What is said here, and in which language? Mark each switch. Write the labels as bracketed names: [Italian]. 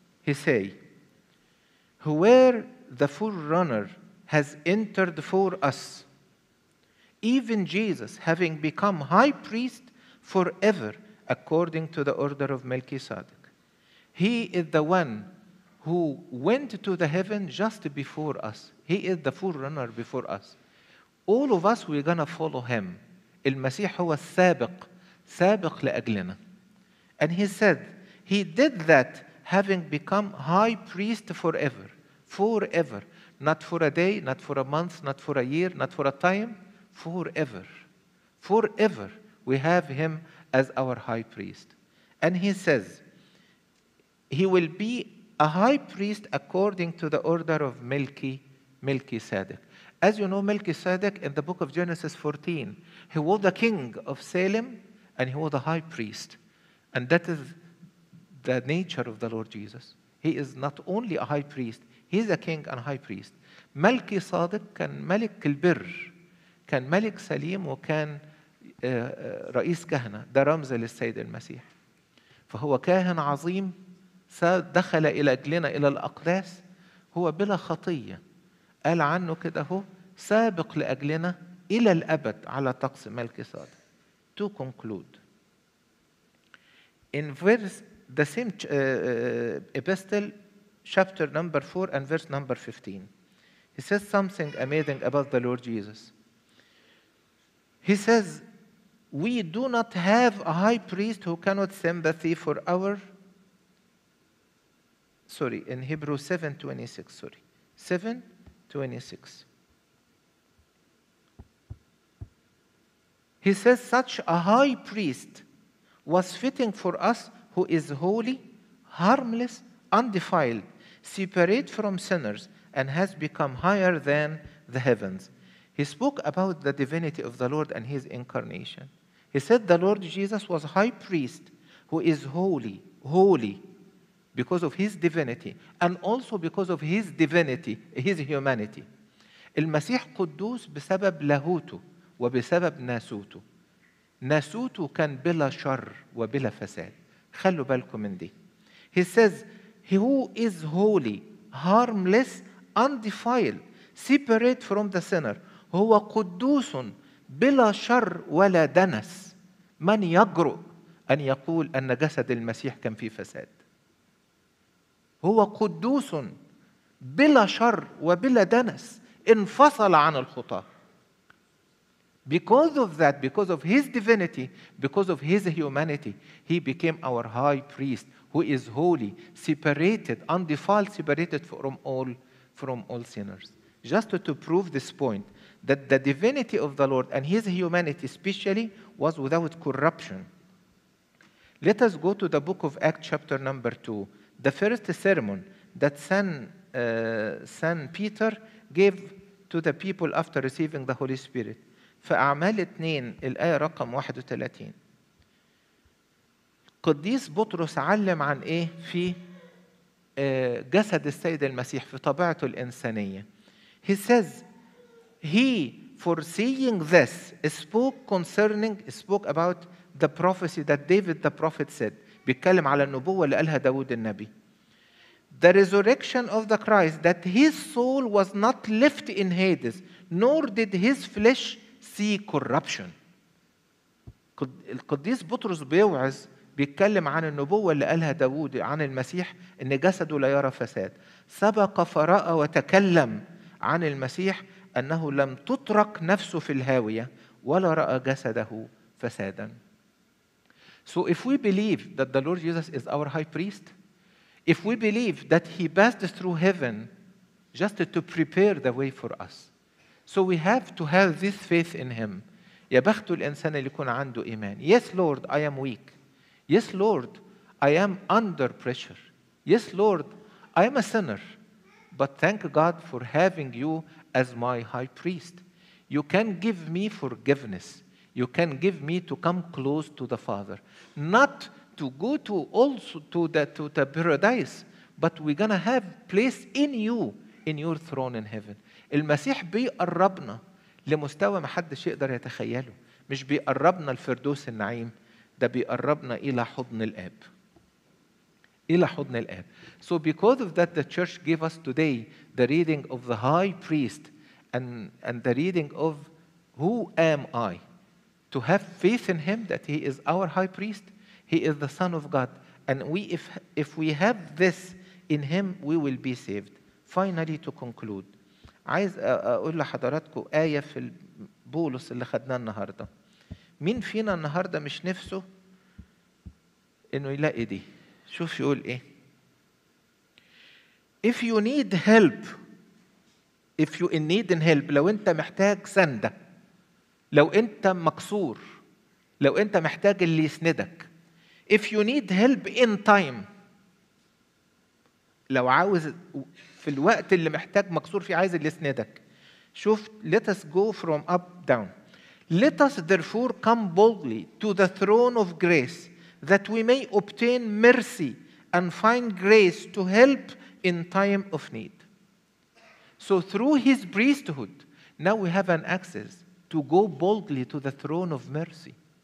[English] He say, where the forerunner has entered for us, even Jesus, having become high priest forever according to the order of Melchizedek. He is the one who went to the heaven just before us. He is the forerunner before us. All of us, we're going to follow him. [Arabic] المسيح هو السابق, سابق لأجلنا. [English] And he said, he did that having become high priest forever. Forever. Not for a day, not for a month, not for a year, not for a time. Forever. Forever. We have him as our high priest. And he says, he will be a high priest according to the order of Melchizedek. As you know, Melchizedek in the book of Genesis 14, he was the king of Salem and he was the high priest. And that is the nature of the Lord Jesus. He is not only a high priest, he is a king and high priest. [Arabic] Melchizedek كان ملك البر, كان ملك سليم وكان رئيس كهنة, ده رمز للسيد المسيح. فهو كاهن عظيم دخل إلى أجلنا إلى الأقداس, هو بلا خطية. قال عنه كده, هو سابق لأجلنا إلى الأبد على طقس ملكيصادق. [English] To conclude, in verse the same epistle chapter number 4 and verse number 15, he says something amazing about the Lord Jesus. He says, we do not have a high priest who cannot sympathy for our, sorry, in Hebrews 7:26, sorry, 7:26. He says, such a high priest was fitting for us who is holy, harmless, undefiled, separate from sinners, and has become higher than the heavens. He spoke about the divinity of the Lord and his incarnation. He said the Lord Jesus was high priest who is holy, holy because of his divinity and also because of his divinity, his humanity. [Arabic] المسيح قدوس بسبب لاهوته وبسبب ناسوته. ناسوته كان بلا شر وبلا فساد. خلوا بالكم من دي. [English] He says he who is holy, harmless, undefiled, separate from the sinner. [Arabic] هو قدوس بلا شر ولا دنس. من يجرؤ أن يقول أن جسد المسيح كان فيه فساد؟ هو قدوس بلا شر وبلا دنس, انفصل عن الخطاة. [English] Because of that, because of his divinity, because of his humanity, he became our high priest who is holy, separated, undefiled, separated from all sinners. Just to prove this point, that the divinity of the Lord and his humanity especially was without corruption. Let us go to the book of Acts chapter number 2, the first sermon that Saint Peter gave to the people after receiving the Holy Spirit. [Arabic] فأعمال 2 الآية رقم 31. قديس بطرس علم عن إيه في جسد السيد المسيح في طبيعته الإنسانية. [English] He says, he, foreseeing this, spoke about the prophecy that David the prophet said. [Arabic] بيتكلم على النبوة اللي قالها داود النبي. [English] The resurrection of the Christ, that his soul was not left in Hades, nor did his flesh see corruption. [Arabic] القديس بطرس بيوعظ بيتكلم عن النبوة اللي قالها داود عن المسيح, إن جسده لا يرى فساد. سبق فرأى وتكلم عن المسيح أنه لم تترك نفسه في الهاوية ولا رأى جسده فسادا. [English] So if we believe that the Lord Jesus is our high priest, if we believe that he passed through heaven just to prepare the way for us, so we have to have this faith in him. [Arabic] يا بخت الإنسان اللي يكون عنده إيمان. [English] Yes Lord, I am weak. Yes Lord, I am under pressure. Yes Lord, I am a sinner. But thank God for having you as my high priest. You can give me forgiveness. You can give me to come close to the Father. Not to go to also to the paradise, but we're gonna have place in you, in your throne in heaven. [Arabic] المسيح بيقربنا لمستوى ما حدش يقدر يتخيله. مش بيقربنا الفردوس النعيم, ده بيقربنا إلى حضن الآب. إلى حضن الآب. [English] So because of that, the church gave us today the reading of the high priest and the reading of who am I. to have faith in him that he is our high priest, he is the son of God, and we if we have this in him we will be saved. Finally to conclude, [Arabic] عايز اقول لحضراتكم آية في بولس اللي خدناه النهاردة. مين فينا النهاردة مش نفسه انه يلاقي دي؟ شوف يقول ايه. [English] If you need help, if you in need and help, [Arabic] لو انت محتاج سندة, لو انت مكسور, لو انت محتاج اللي يسندك, [English] if you need help in time, [Arabic] لو عاوز في الوقت اللي محتاج مكسور فيه عايز اللي يسندك. شوف, [English] let us go from up down, let us therefore come boldly to the throne of grace that we may obtain mercy and find grace to help in time of need. So through his priesthood, now we have an access to go boldly to the throne of mercy.